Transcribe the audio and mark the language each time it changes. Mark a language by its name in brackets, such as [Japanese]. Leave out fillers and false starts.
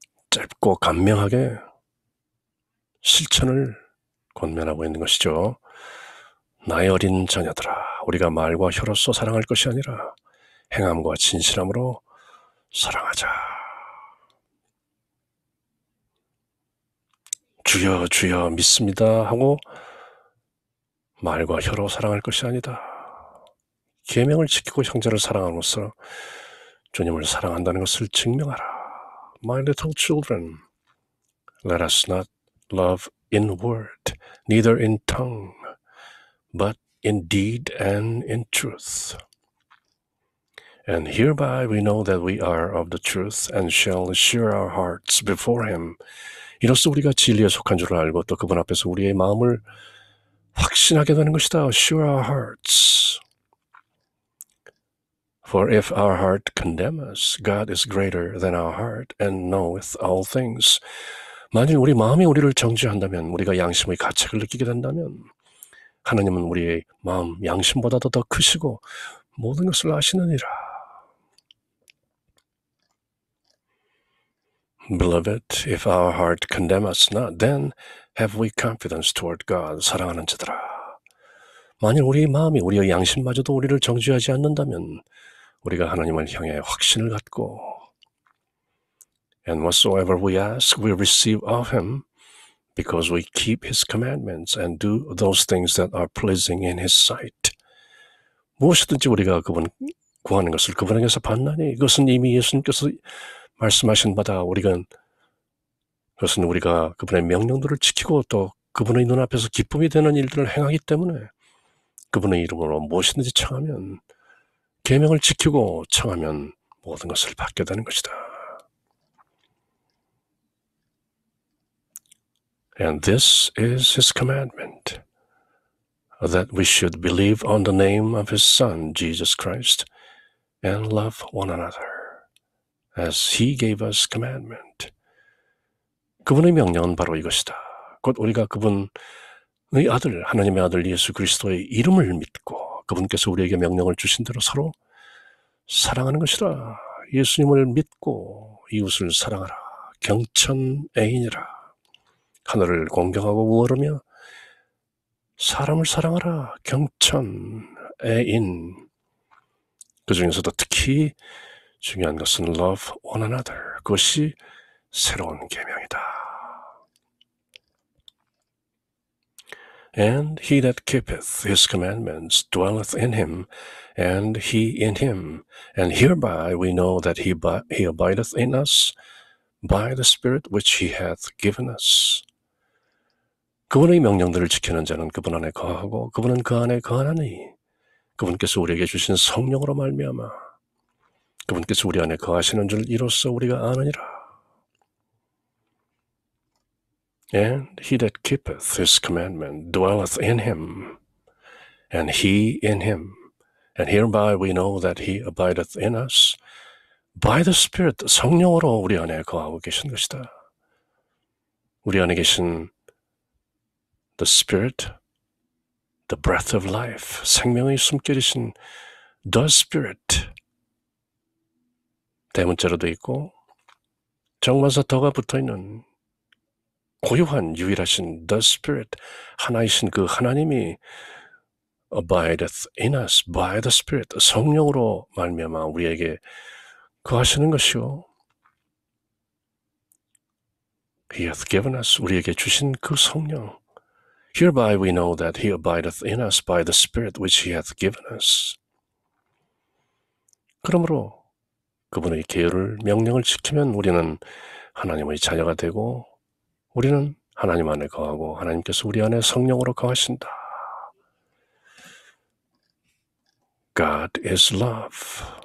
[Korean] 짧고 간명하게 실천을 권면하고 있는 것이죠. 나의 어린 자녀들아, 우리가 말과 혀로서 사랑할 것이 아니라 행함과 진실함으로 사랑하자. 주여 주여 믿습니다 하고 말과 혀로 사랑할 것이 아니다. 계명을 지키고 형제를 사랑함으로써 주님을 사랑한다는 것을 증명하라. [English] My little children, let us not love in word, neither in tongue, but in deed and in truth. And hereby we know that we are of the truth and shall assure our hearts before him. [Korean] 이로써 우리가 진리에 속한 줄을 알고 또 그분 앞에서 우리의 마음을 확신하게 되는 것이다. [English] Assure our hearts. For if our heart condemn us, God is greater than our heart and knoweth all things. [Korean] 만일 우리 마음이 우리를 정죄한다면, 우리가 양심의 가책을 느끼게 된다면 하나님은 우리의 마음, 양심보다도 더 크시고 모든 것을 아시느니라. [English] Beloved, if our heart condemn us not, then have we confidence toward God. [Korean] 사랑하는 자들아, 만일 우리의 마음이 우리의 양심마저도 우리를 정죄하지 않는다면 우리가 하나님을 향해 확신을 갖고 [English] And whatsoever we ask, we receive of him because we keep his commandments and do those things that are pleasing in his sight. [Korean] 무엇이든지 우리가 그분 구하는 것을 그분에게서 받나니 그것은 이미 예수님께서 말씀하신 바다. 그것은 우리가 그분의 명령들을 지키고 또 그분의 눈앞에서 기쁨이 되는 일들을 행하기 때문에 그분의 이름으로 무엇이든지 청하면 계명을 지키고 청하면 모든 것을 받게 되는 것이다. [English] And this is his commandment, that we should believe on the name of his Son, Jesus Christ, and love one another, as he gave us commandment. [Korean] 그분의 명령은 바로 이것이다. 곧 우리가 그분의 아들, 하나님의 아들 예수 그리스도의 이름을 믿고 그분께서 우리에게 명령을 주신 대로 서로 사랑하는 것이라. 예수님을 믿고 이웃을 사랑하라. 경천 애인이라. 하늘을 공경하고 우러러며 사람을 사랑하라. 경천 애인. 그 중에서도 특히 중요한 것은 [English] love one another. [Korean] 그것이 새로운 계명이다. [English] And he that keepeth his commandments dwelleth in him, and he in him. And hereby we know that he abideth in us by the Spirit which he hath given us. [Korean] 그분의 명령들을 지키는 자는 그분 안에 거하고 그분은 그 안에 거하나니 그분께서 우리에게 주신 성령으로 말미암아 그분께서 우리 안에 거하시는 줄 이로써 우리가 아느니라. [English] And he that keepeth his commandment dwelleth in him, and he in him. And hereby we know that he abideth in us by the Spirit, [Korean] 성령으로 우리 안에 거하고 계신 것이다. 우리 안에 계신 [English] the Spirit, the breath of life, [Korean] 생명의 숨결이신 the Spirit, 대문자로 되어 있고 정관사 더가 붙어있는 고유한 유일하신 the Spirit, 하나이신 그 하나님이 [English] abideth in us by the Spirit, [Korean] 성령으로 말미암아 우리에게 거하시는 것이요. [English] He hath given us, [Korean] 우리에게 주신 그 성령. [English] Hereby we know that he abideth in us by the Spirit which he hath given us. [Korean] 그러므로 그분의 계율을 명령을 지키면 우리는 하나님의 자녀가 되고 우리는 하나님 안에 거하고 하나님께서 우리 안에 성령으로 거하신다. [English] God is love.